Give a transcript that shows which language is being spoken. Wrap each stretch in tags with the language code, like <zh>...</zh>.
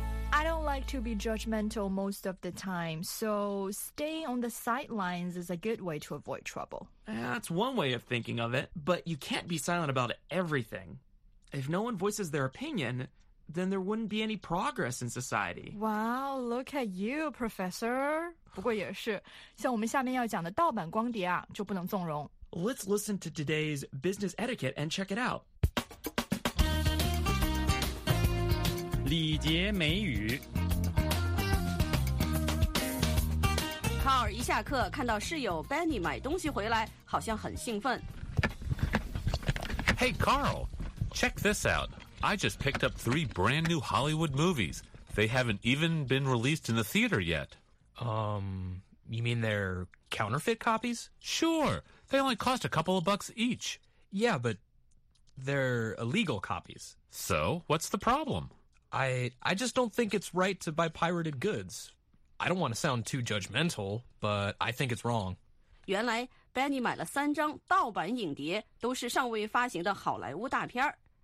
<en>I don't like to be judgmental most of the time, so staying on the sidelines is a good way to avoid trouble. That's one way of thinking of it, but you can't be silent about everything. If no one voices their opinion, then there wouldn't be any progress in society. Wow, look at you, Professor.</en> <zh>不过也是，像我们下面要讲的盗版光碟啊，就不能纵容。</zh> <en>Let's listen to today's business etiquette and check it out.</en> <zh>礼节美语。卡尔一下课看到室友 Benny 买东西回来，好像很兴奋。</zh> <en>Hey Carl, check this out. I just picked up 3 brand new Hollywood movies. They haven't even been released in the theater yet. You mean they're counterfeit copies? Sure, they only cost a couple of bucks each. Yeah, but they're illegal copies. So, what's the problem? I just don't think it's right to buy pirated goods. I don't want to sound too judgmental, but I think it's wrong.</en> <zh>原来 Benny 买了三张盗版影碟，都是尚未发行的好莱坞大片。</zh>